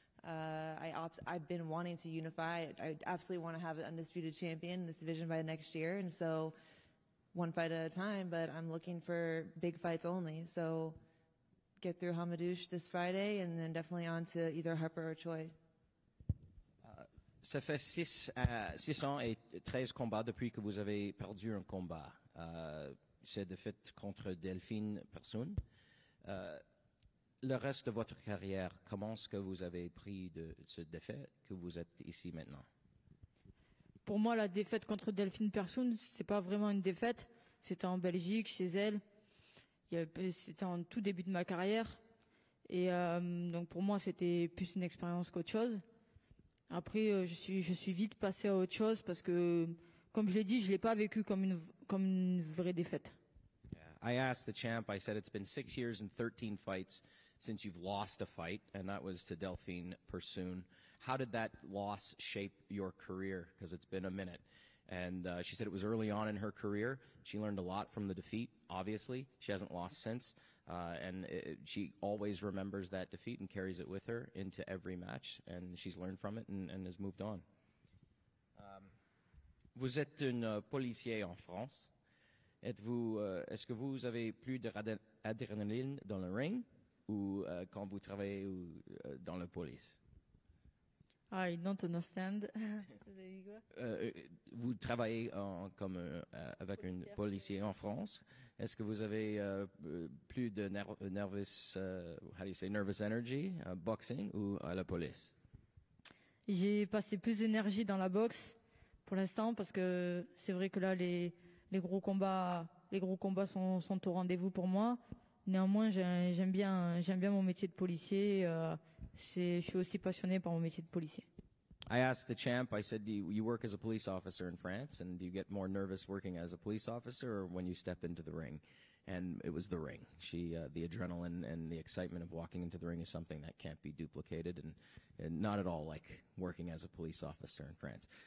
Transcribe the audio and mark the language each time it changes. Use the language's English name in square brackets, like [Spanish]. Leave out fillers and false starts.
[English] And I've been wanting to unify. I absolutely want to have an undisputed champion in this division by next year. And so one fight at a time, but I'm looking for big fights only. So get through Hamadouche this Friday and then definitely on to either Harper or Choi. [French] Ça fait 613 combats depuis que vous avez perdu un combat. C'est défaite contre Delphine Persoon. Le reste de votre carrière, comment est-ce que vous avez pris de ce défaite que vous êtes ici maintenant? Pour moi, la défaite contre Delphine Persoon, c'est pas vraiment une défaite. C'était en Belgique, chez elle. C'était en tout début de ma carrière. Et donc pour moi, c'était plus une expérience qu'autre chose. Après, je suis vite passé à autre chose parce que, comme je l'ai dit, je l'ai pas vécu comme une vraie défaite. [English] Yeah. I asked the champ. I said it's been 6 years and 13 fights since you've lost a fight, and that was to Delphine Persoon. How did that loss shape your career? Because it's been a minute. And she said it was early on in her career. She learned a lot from the defeat. Obviously, she hasn't lost since. She always remembers that defeat and carries it with her into every match, and she's learned from it and has moved on. [French] Vous êtes un policier en France. Est-ce que vous avez plus d'adrénaline dans le ring ou quand vous travaillez ou, dans la police? [English] I don't understand. [French] vous travaillez avec un policier en France. Est-ce que vous avez plus de [English] nervous energy, boxing [French] ou à la police? J'ai passé plus d'énergie dans la boxe pour l'instant parce que c'est vrai que là les gros combats sont au rendez-vous pour moi. Néanmoins, j'aime bien mon métier de policier. Je suis aussi passionné par mon métier de policier. [English] I asked the champ, I said, do you work as a police officer in France, and do you get more nervous working as a police officer or when you step into the ring? And it was the ring. The adrenaline and the excitement of walking into the ring is something that can't be duplicated and not at all like working as a police officer in France.